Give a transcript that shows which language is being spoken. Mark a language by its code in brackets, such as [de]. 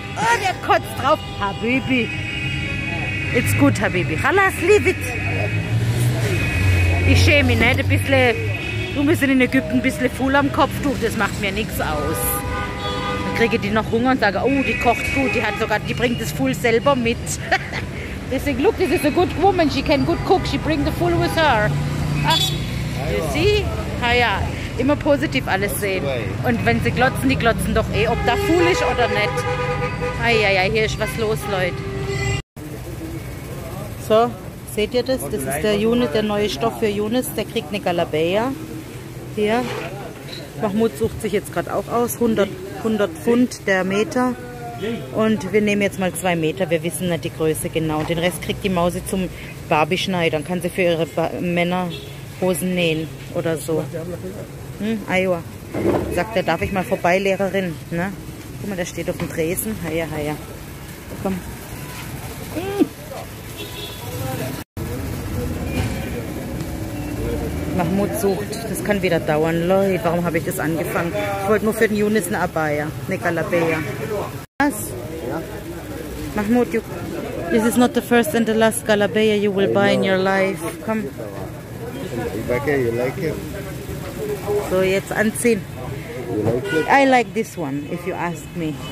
[de] Oh, der kotzt drauf. Habibi. [en] It's good, Habibi. Halas, leave it. [de] Ich schäme mich nicht. Ein bisschen. Du bist in Ägypten ein bisschen voll am Kopftuch. Das macht mir nichts aus. Kriege die noch Hunger und sage, oh, die kocht gut, die hat sogar, die bringt das Full selber mit. [en] Deswegen, look, this is a good woman, she can good cook, she bring the Full with her. [de] Ach, [en] you see? [de] Ha ja, immer positiv alles sehen. Und wenn sie glotzen, die glotzen doch eh, ob da Full ist oder nicht. Eieiei, hier ist was los, Leute. So, seht ihr das? Das ist der Yunus, der neue Stoff für Yunus, der kriegt eine Galabeya. Hier. Mahmoud sucht sich jetzt gerade auch aus, 100 Pfund der Meter und wir nehmen jetzt mal 2 Meter, wir wissen nicht die Größe genau. Den Rest kriegt die Mausi zum Barbie-Schneider, dann kann sie für ihre Männer Hosen nähen oder so. Hm? Aywa, sagt er, darf ich mal vorbei, Lehrerin? Ne? Guck mal, der steht auf dem Tresen, heia, heia. Komm. Mahmoud sucht. Das kann wieder dauern. Leute, warum habe ich das angefangen? Ich wollte nur für den Yunus eine Abaya, eine Galabeya. Was? Ja. [en] Mahmoud, this is not the first and the last Galabeya you will buy in your life. [de] Komm. [en] You like it? [de] So, jetzt anziehen. [en] You like it? I like this one, if you ask me.